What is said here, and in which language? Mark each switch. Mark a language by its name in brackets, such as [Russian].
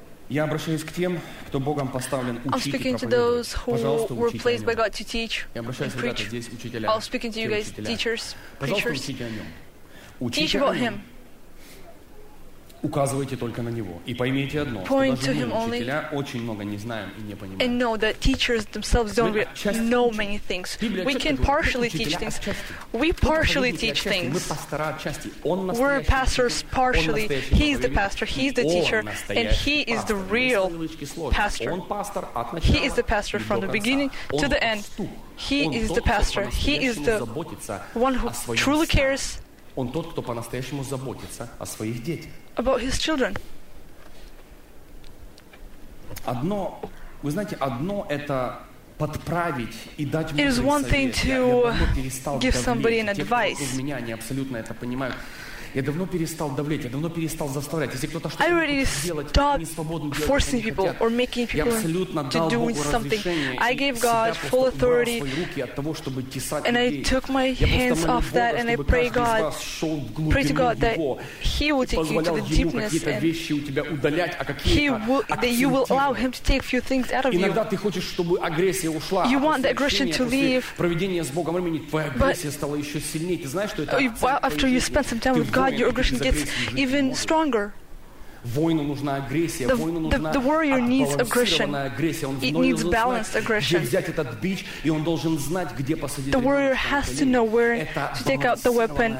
[Russian] Я обращаюсь к тем, кто Богом поставлен учить. [English] I'm speaking to those who were placed by God to teach and preach. I'm speaking to you guys, teachers, preachers. Teach about Him. [Russian] Указывайте только на него и поймите одно, что даже мы, учителя, очень много не знаем и не понимаем. [English] And know that teachers themselves don't know many things. We can partially teach things. We partially teach things. [Russian] Мы пастора отчасти. [English] We're pastors partially. He's the pastor. He's the teacher. And he is the real pastor. [Russian] Он пастор от начала. [English] He is the pastor from the beginning to the end. He is the pastor. He is the one who truly cares. [Russian] Он тот, кто по-настоящему заботится о своих детях. [English] About his children. [Russian] Одно, вы знаете, одно это подправить и дать. [English] It is one thing to give somebody an advice. [Russian] Те, кто меня, они абсолютно это понимают. Я давно перестал давлять, я давно перестал заставлять. Если кто-то что-то делает, не свободно делать, то они хотят. Я абсолютно дал Богу разрешение. [English] I gave God full authority, and I took my hands off that, and I pray God, pray to God that He will take you to the deepness, and He will, that you will allow Him to take a few things out of you. [Russian] Иногда ты хочешь, чтобы агрессия ушла. [English] You want the aggression to leave. [Russian] Проведение с Богом времени, твоя агрессия стала еще сильнее. Ты знаешь, что это? [English] After you spend some time with God, your aggression gets even stronger. The warrior needs aggression. It needs balanced aggression. The warrior has to know where to take out the weapon.